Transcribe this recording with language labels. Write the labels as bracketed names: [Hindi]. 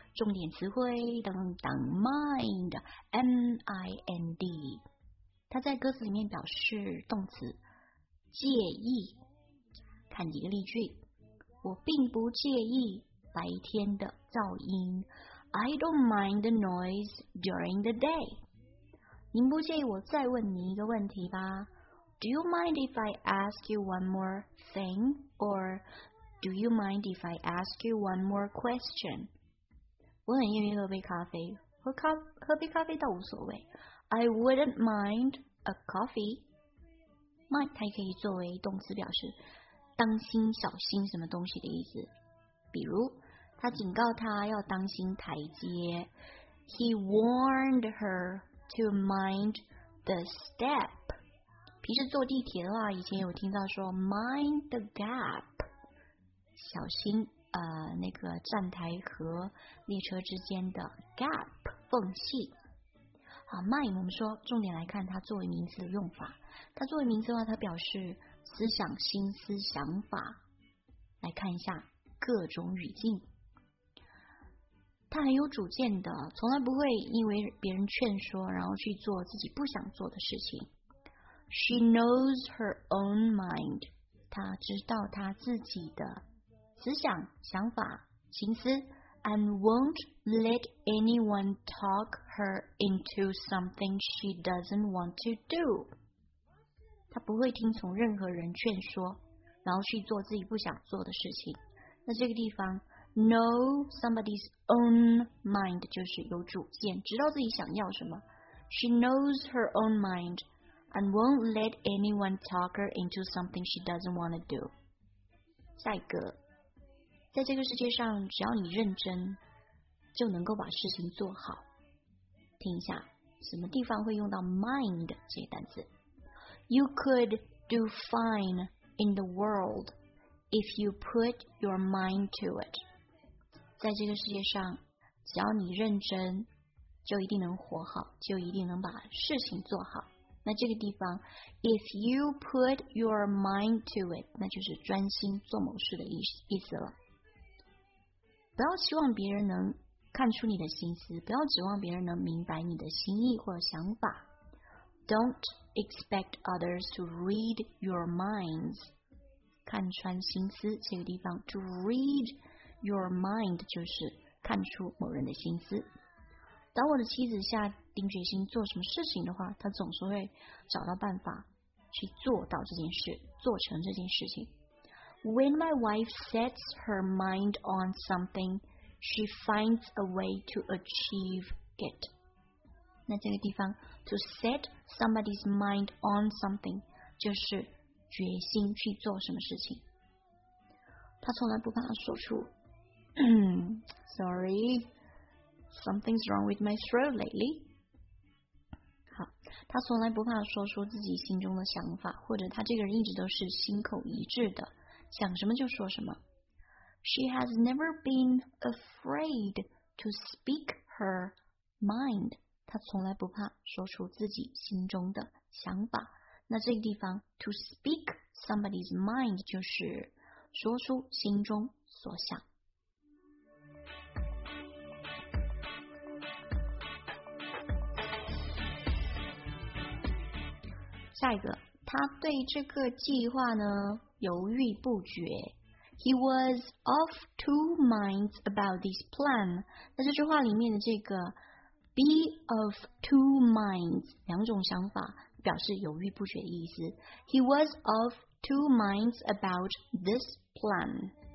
[Chinese] 重点词汇等等 mind M-I-N-D， 它在歌词里面表示动词介意。看几个例句，我并不介意白天的噪音。 [English] I don't mind the noise during the day. [Chinese] 您不介意我再问你一个问题吧。 [English] Do you mind if I ask you one more thing? Or do you mind if I ask you one more question? [Chinese] 我很愿意喝杯咖啡，喝杯咖啡倒无所谓。 [English] I wouldn't mind a coffee. [Chinese] Mind 它可以作为动词表示当心小心什么东西的意思。比如他警告他要当心台阶。 [English] He warned her to mind the step. [Chinese] 平时坐地铁的话，以前有听到说 mind the gap，小心那个站台和列车之间的 gap 缝隙。好 ，mind 我们说重点来看它作为名词的用法。它作为名词的话，它表示思想、心思、想法。来看一下各种语境。他很有主见的，从来不会因为别人劝说然后去做自己不想做的事情。 She knows her own mind，他知道他自己的思想想法心思。 [English] And won't let anyone talk her into something she doesn't want to do，他不会听从任何人劝说然后去做自己不想做的事情。 [Chinese] 那这个地方 Know somebody's own mind 就是有主见，知道自己想要什么。 [English] She knows her own mind and won't let anyone talk her into something she doesn't want to do。 [Chinese] 下一个，在这个世界上只要你认真就能够把事情做好。听一下什么地方会用到 mind 这些单词。 You could do fine in the world if you put your mind to it，在这个世界上只要你认真就一定能活好，就一定能把事情做好。那这个地方 If you put your mind to it，那就是专心做某事的意思了。不要期望别人能看出你的心思，不要指望别人能明白你的心意或想法。 [English] Don't expect others to read your minds，看穿心思。 [Chinese] 这个地方 To readYour mind 就是看出某人的心思。当我的妻子下定决心做什么事情的话，她总是会找到办法去做到这件事，做成这件事情。 [English] When my wife sets her mind on something, she finds a way to achieve it. [Chinese] 那这个地方 to set somebody's mind on something 就是决心去做什么事情。 [English] 她从来不怕说出 Sorry, something's wrong with my throat lately. [Chinese] 好，他从来不怕说出自己心中的想法，或者他这个人一直都是心口一致的，想什么就说什么。 [English] She has never been afraid to speak her mind. [Chinese] 他从来不怕说出自己心中的想法。那这个地方 to speak somebody's mind 就是说出心中所想。下一个，他对这个计划呢犹豫不决。 [English] He was of two minds about this plan。 [Chinese] 那这句话里面的这个 be of two minds，两种想法，表示犹豫不决的意思。 [English] He was of two minds about this plan。